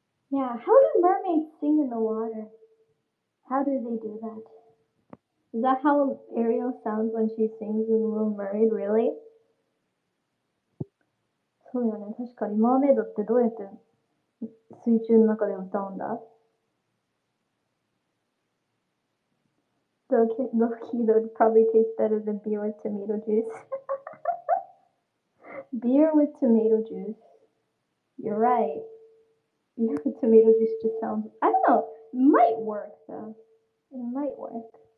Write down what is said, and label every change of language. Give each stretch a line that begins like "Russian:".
English: Yeah, how do mermaids sing in the water? How do they do that? Is that how Ariel sounds when she sings in Little Mermaid, really?
Japanese: そうよね、確かにマーメイドってどうやって水中の中で歌うんだ？
English: ロキード would probably taste better than beer with tomato juice. Beer with tomato juice. You're right. Beer with tomato juice just sounds... I don't know. It might work, though. It might work.